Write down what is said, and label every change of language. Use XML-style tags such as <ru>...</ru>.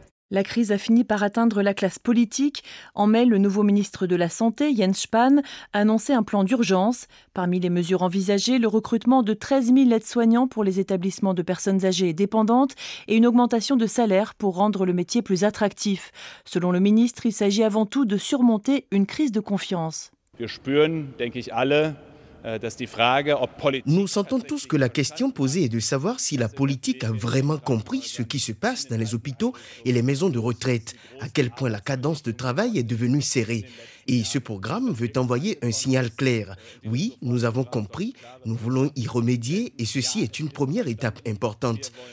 <fr>La crise a fini par atteindre la classe politique. En mai, le nouveau ministre de la Santé, Jens Spahn, a annoncé un plan d'urgence. Parmi les mesures envisagées, le recrutement de 13 000 aides-soignants pour les établissements de personnes âgées et dépendantes et une augmentation de salaire pour rendre le métier plus attractif. Selon le ministre, il s'agit avant tout de surmonter une crise de confiance.</fr> <de>Wir spüren, denke ich, alle.</de> <fr>Nous sentons tous que la question posée est de savoir si la politique a vraiment compris ce qui se passe dans les hôpitaux et les maisons de retraite, à quel point la cadence de travail est devenue serrée. Et ce programme veut envoyer un signal clair. Oui, nous avons compris, nous voulons y remédier et ceci est une première étape importante.</fr>